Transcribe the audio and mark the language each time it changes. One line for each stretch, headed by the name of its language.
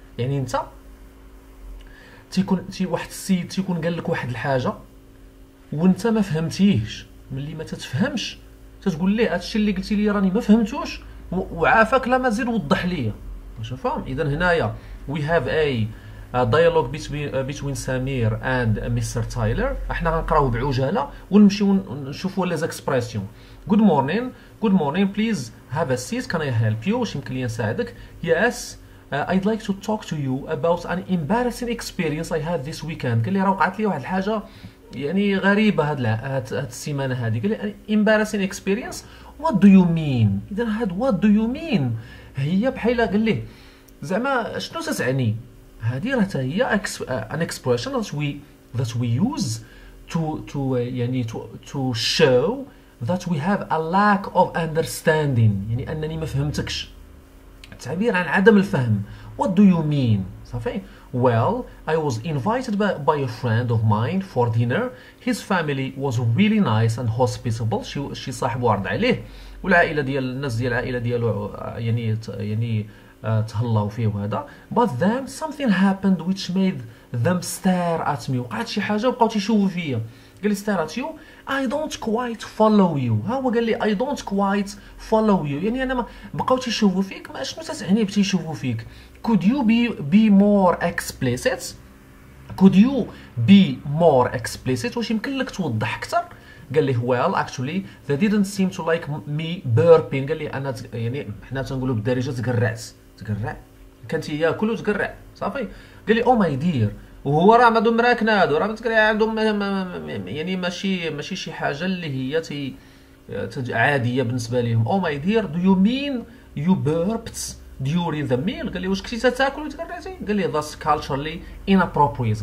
Arabic: يعني انت تيكون تي واحد السيد تيكون قال لك واحد الحاجه وانت ما فهمتيهش، ملي ما تتفهمش تتقول ليه هذا الشيء اللي قلتي لي راني ما فهمتوش وعافاك لا مازال وضح ليا، واش فاهم؟ اذا هنايا
English: we have a dialogue بين سمير and mister Tyler,
Arabic: احنا غنقراوه بعجاله ونمشيو نشوفوا لي زكسبرسيون.
English: good morning, good morning, please have a seat, can I help you,
Arabic: واش يمكن لي نساعدك؟
English: Yes I'd like to talk to you about an embarrassing experience I had this weekend.
Arabic: قال لي راه وقعت لي واحد الحاجه يعني غريبه هاد السيمانه هادي. قال لي
English: embarrassing experience، what do you mean؟
Arabic: اذا هاد
English: what do you mean
Arabic: هي بحال قال لي زعما شنو تتعني؟ هادي راه هي
English: an expression that we use to
Arabic: يعني
English: to show that we have a lack of understanding،
Arabic: يعني انني ما فهمتكش، تعبير عن عدم الفهم.
English: What do you mean؟ صافي. Well, I was invited by a friend of mine for dinner. His family was really nice and hospitable.
Arabic: شي صاحب وارد عليه والعائلة ديال الناس ديال العائلة ديالو يعني تهلاو فيه وهذا.
English: But then something happened which made them stare at me.
Arabic: وقعت شي حاجة وبقاو تيشوفوا فيا. قال لي
English: stare at you، I don't quite follow you.
Arabic: ها هو قال لي
English: I don't quite follow you،
Arabic: يعني انا ما بقاو تيشوفوا فيك، ما شنو تتعني بتيشوفوا فيك؟
English: Could you be more explicit؟ Could you be more explicit؟
Arabic: واش يمكن لك توضح اكثر؟ قال لي
English: well actually they didn't seem to like me burping.
Arabic: قال لي انا يعني حنا تنقولوا بالدارجه تقرع كانت هي كله تقرع صافي. قال لي
English: oh my dear,
Arabic: وهو راه عندهم مراكنه هادو، راه تقرع عندهم يعني ماشي شي حاجه اللي هي عاديه بالنسبه لهم.
English: Oh my dear do you mean you burped during the meal?
Arabic: قال لي واش كنتي تاكل وتقرعتي؟ قال لي
English: That's culturally inappropriate.